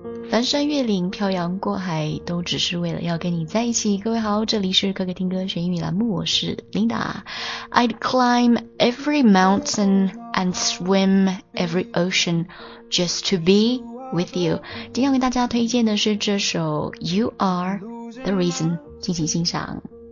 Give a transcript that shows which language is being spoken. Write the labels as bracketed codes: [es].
[zh] 翻山越岭漂洋过海都只是为了要跟你在一起。各位好，这里是可可听歌学英语栏目，我是 Linda。 [en] I'd climb every mountain and swim every ocean just to be with you。 [zh] 今天为大家推荐的是这首 You Are the Reason， 敬请欣赏。